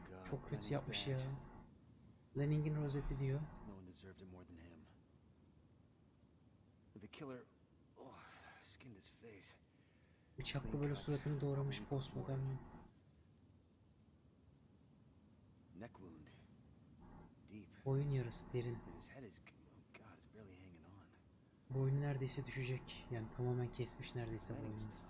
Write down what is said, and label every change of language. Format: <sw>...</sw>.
<tr>Çok kötü yapmış ya. Lanning'in rozeti diyor.</tr> <en>No one deserved it more than him. The killer, oh, skinned his face.</en> <tr>Bıçakla böyle suratını doğramış postmodern.</tr> <en>Neck wound. Deep.</en> <tr>Boyun yarısı derin.</tr> <en>His head is, oh God, it's barely hanging on.</en> <tr>Boyun neredeyse düşecek. Yani tamamen kesmiş neredeyse boyun.</tr>